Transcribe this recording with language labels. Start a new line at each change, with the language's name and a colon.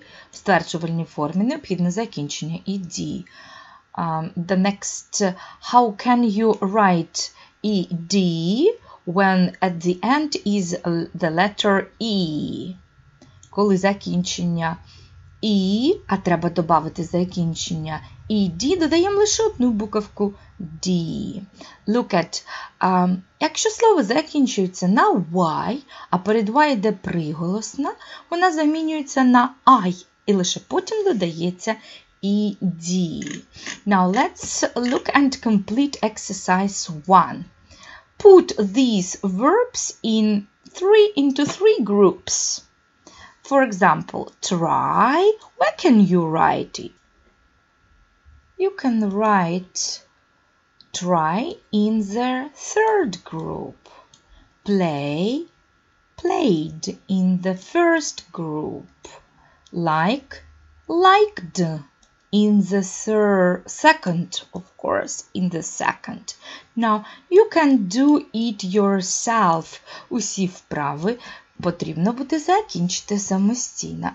Ukrainian: В старчувальній формі необхідне закінчення ed.
English: The next, how can you write ed when at the end is the letter e?
Ukrainian: Коли закінчення і, а треба добавити закінчення ed, додаємо лише одну букавку d.
English: Look at,
Ukrainian: якщо слово закінчується на y, а перед y йде приголосна, вона замінюється на i і лише потім додається ed.
English: Now let's look and complete exercise 1. Put these verbs in into three groups. For example, try, where can you write it? You can write try in the third group. Play, played in the first group. Like, liked in the second, of course, in the second. Now, you can do it yourself.
Ukrainian: Усі вправи потрібно буде закінчити самостійно.